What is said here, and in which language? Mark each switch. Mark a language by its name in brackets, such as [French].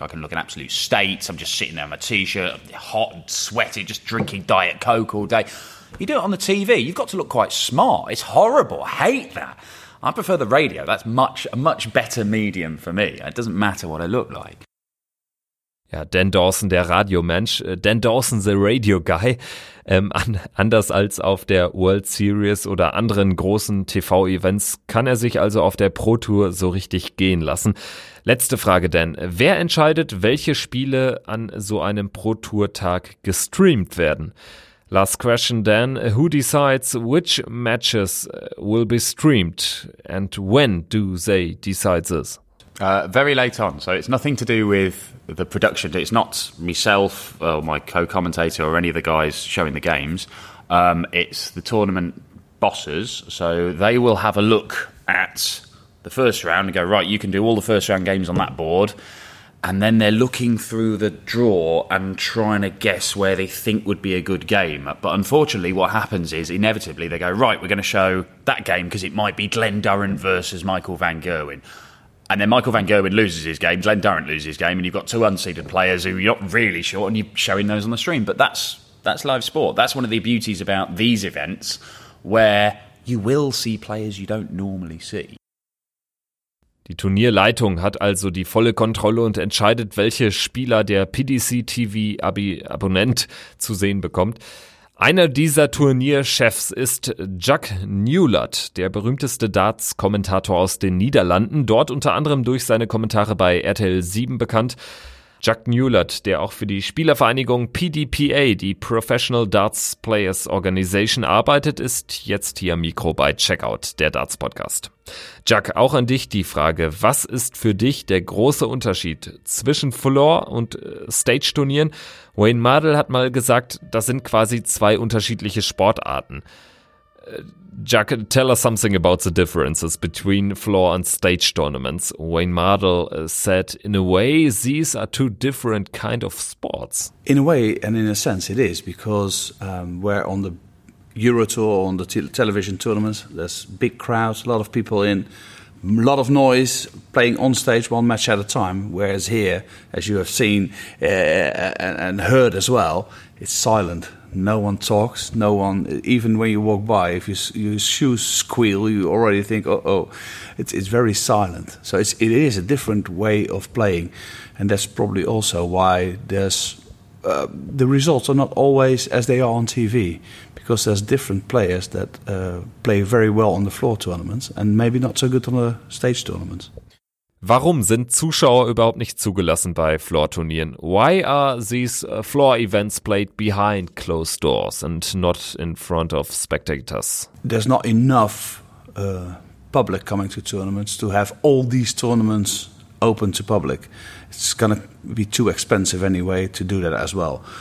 [English] I can look in absolute states. I'm just sitting there in my T-shirt, hot and sweaty, just drinking Diet Coke all day. You do it on the TV, you've got to look quite smart. It's horrible. I hate that. I prefer the radio. That's a much better medium for me. It doesn't matter what I look like. [German] Ja, Dan Dawson, der Radiomensch. [English] Dan Dawson, the radio guy. [German] Anders als auf der World Series oder anderen großen TV-Events kann er sich also auf der Pro Tour so richtig gehen lassen. Letzte Frage, Dan. Wer entscheidet, welche Spiele an so einem Pro Tour-Tag gestreamt werden? [English] Last question, Dan. Who decides which matches will be streamed and when do they decide this? Very late on, so it's nothing to do with the production. It's not myself or my co-commentator or any of the guys showing the games. It's the tournament bosses, so they will have a look at the first round and go, right, you can do all the first round games on that board. And then they're looking through the draw and trying to guess where they think would be a good game. But unfortunately, what happens is, inevitably, they go, right, we're going to show that game because it might be Glenn Durrant versus Michael van Gerwen. And then Michael van Gerwen loses his game, Glenn Durrant loses his game, and you've got two unseeded players who you're not really sure, and you're showing those on the stream. But that's live sport. That's one of the beauties about these events, where you will see players you don't normally see. [German] Die Turnierleitung hat also die volle Kontrolle und entscheidet, welche Spieler der PDC-TV-Abonnent zu sehen bekommt. Einer dieser Turnierchefs ist Jack Newlat, der berühmteste Darts-Kommentator aus den Niederlanden, dort unter anderem durch seine Kommentare bei RTL 7 bekannt. Jack Newlat, der auch für die Spielervereinigung PDPA, die Professional Darts Players Organization, arbeitet, ist jetzt hier am Mikro bei Checkout, der Darts-Podcast. Jack, auch an dich die Frage, was ist für dich der große Unterschied zwischen Floor- und Stage-Turnieren? Wayne Mardell hat mal gesagt, das sind quasi zwei unterschiedliche Sportarten. [English] Jack, tell us something about the differences between floor and stage tournaments. Wayne Mardell said, in a way, these are two different kind of sports. In a way, and in a sense, it is, because we're on the Euro Tour, on the television tournaments. There's big crowds, a lot of people in, a lot of noise, playing on stage one match at a time. Whereas here, as you have seen and heard as well, it's silent. No one talks, no one, even when you walk by, if your shoes squeal, you already think, oh, it's very silent. So it is a different way of playing. And that's probably also why there's the results are not always as they are on TV, because there's different players that play very well on the floor tournaments and maybe not so good on the stage tournaments. [German] Warum sind Zuschauer überhaupt nicht zugelassen bei Floor-Turnieren? [English] Why are these floor events played behind closed doors and not in front of spectators? There's not enough public coming to tournaments to have all these tournaments open to public. It's going to be too expensive anyway to do that as well.